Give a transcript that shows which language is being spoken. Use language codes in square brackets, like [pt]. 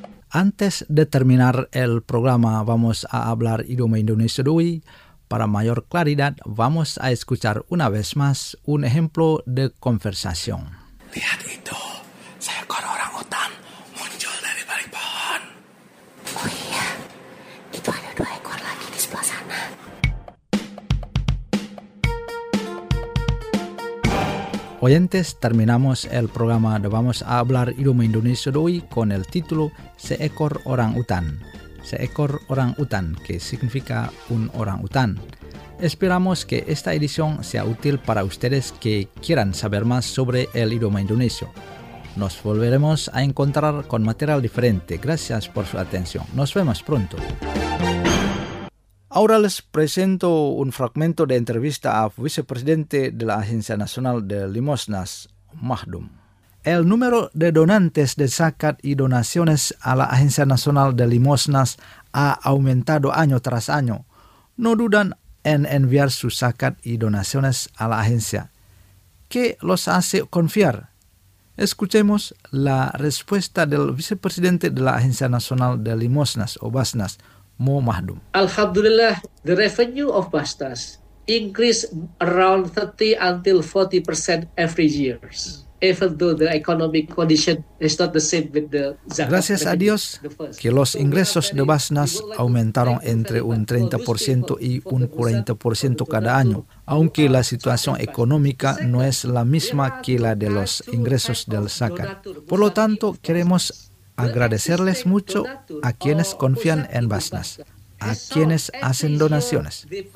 [es] Antes de terminar el programa, vamos a hablar idioma indonesio de hoy. Para mayor claridad, vamos a escuchar una vez más un ejemplo de conversación. [id] Lihat itu, seekor orang utan muncul dari balik pohon. Oh iya, itu ada dua ekor lagi di sebelah sana. [es] Oyentes, terminamos el programa de Vamos a Hablar Idioma Indonesio de hoy con el título Seekor Orang Utan. [id] Seekor Orang Utan, [es] que significa un orang utan. Esperamos que esta edición sea útil para ustedes que quieran saber más sobre el idioma indonesio. Nos volveremos a encontrar con material diferente. Gracias por su atención. Nos vemos pronto. Ahora les presento un fragmento de entrevista al vicepresidente de la Agencia Nacional de Limosnas, Mahdum. El número de donantes de zakat y donaciones a la Agencia Nacional de Limosnas ha aumentado año tras año. No dudan en enviar sus zakat y donaciones a la agencia. ¿Qué los hace confiar? Escuchemos la respuesta del vicepresidente de la Agencia Nacional de Limosnas, o Basnas, Mo Mahdum. [en] Alhamdulillah, the revenue of Basnas increased around 30 until 40% every year, even though the economic condition is not the same with the zakat. [es] Gracias a Dios que los ingresos de Basnas aumentaron entre un 30% y un 40% cada año, aunque la situación económica no es la misma que la de los ingresos del zakat. Por lo tanto, queremos agradecerles mucho a quienes confían en Basnas, a quienes hacen donaciones.